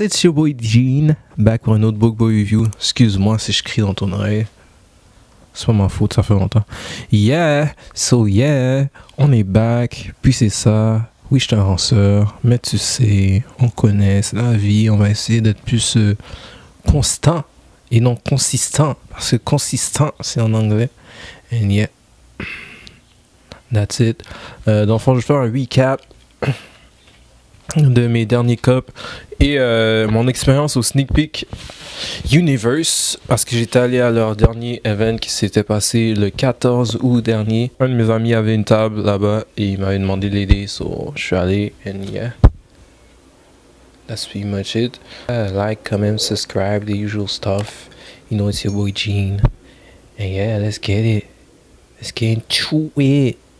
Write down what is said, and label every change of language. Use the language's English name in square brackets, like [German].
[English] It's your boy Gene, back with another book boy review. [French] Excuse-moi si je crie dans ton oreille. C'est pas ma faute, ça fait longtemps. [English] Yeah, so yeah, [French] on est back, puis c'est ça. Oui, je suis un ranceur, mais tu sais, on connaît, c'est la vie. On va essayer d'être plus constant et non consistant, parce que consistant, c'est en anglais. [English] And yeah, that's it. [French] Dans le fond, je vais faire un recap de mes derniers cups et mon expérience au Sneak Peek Universe, parce que j'étais allé à leur dernier event qui s'était passé le 14 août dernier. Un de mes amis avait une table là-bas et il m'avait demandé de l'aider, so je suis allé. [English] And yeah, that's pretty much it. Like, comment, subscribe, the usual stuff, you know, it's your boy Gene. And yeah, let's get it, let's get into it.